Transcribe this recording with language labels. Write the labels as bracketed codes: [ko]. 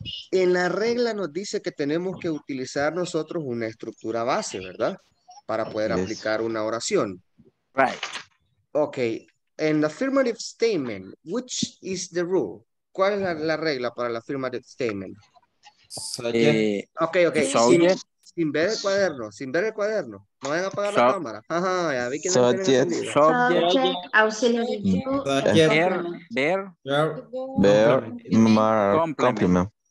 [es] En la regla nos dice que tenemos que utilizar nosotros una estructura base, ¿verdad? Para poder aplicar una oración. [en] Right. Ok. En the affirmative statement, which is the rule? [es] ¿Cuál es la regla para el affirmative statement? [en] Subject. Ok. Subject. [es] sin ver el cuaderno, sin ver el cuaderno. No vayan a apagar la cámara. Ajá, ya vi que no [en] subject, subject, [es] auxiliar. Ver, [en] ver, ver, complement.